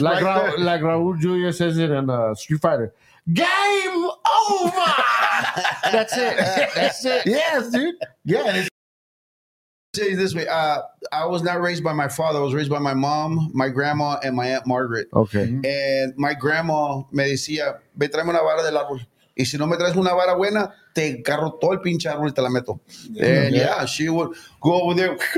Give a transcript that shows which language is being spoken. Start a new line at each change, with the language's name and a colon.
English: like Raul Julia says it in Street Fighter. Game over. That's it. Yes, dude. Yeah. Tell you this way. I was not raised by my father. I was raised by my mom, my grandma, and my aunt Margaret. Okay. And my grandma
Spanish: me decía, "Ve tráeme una vara del árbol. Y si no me traes una vara buena, te carro todo el pinche árbol y te la meto."
English: And yeah, she would go over there.